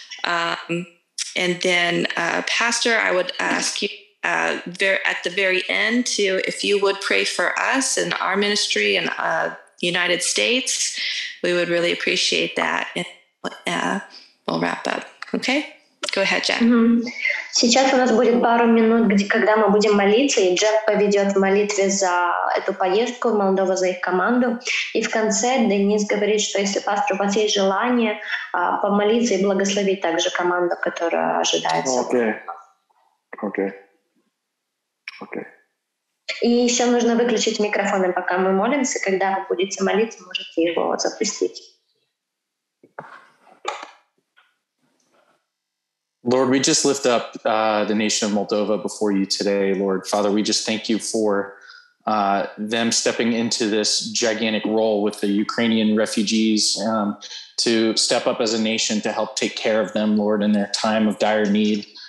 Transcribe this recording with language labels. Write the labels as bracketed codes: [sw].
[en] And then, Pastor, I would ask you at the very end to, if you would pray for us and our ministry and the United States, we would really appreciate that. And we'll wrap up. Okay? Go ahead, Jack. Mm-hmm. [ru] Сейчас у нас будет пару минут, когда мы будем молиться, и Джек поведет в молитве за эту поездку в Молдову, за их команду. И в конце Денис говорит, что если пастор, у вас есть желание помолиться и благословить также команду, которая ожидается. Окей. И еще нужно выключить микрофоны, пока мы молимся. Когда вы будете молиться, можете его запустить. [en] Lord, we just lift up the nation of Moldova before you today, Lord. Father, we just thank you for them stepping into this gigantic role with the Ukrainian refugees to step up as a nation to help take care of them, Lord, in their time of dire need.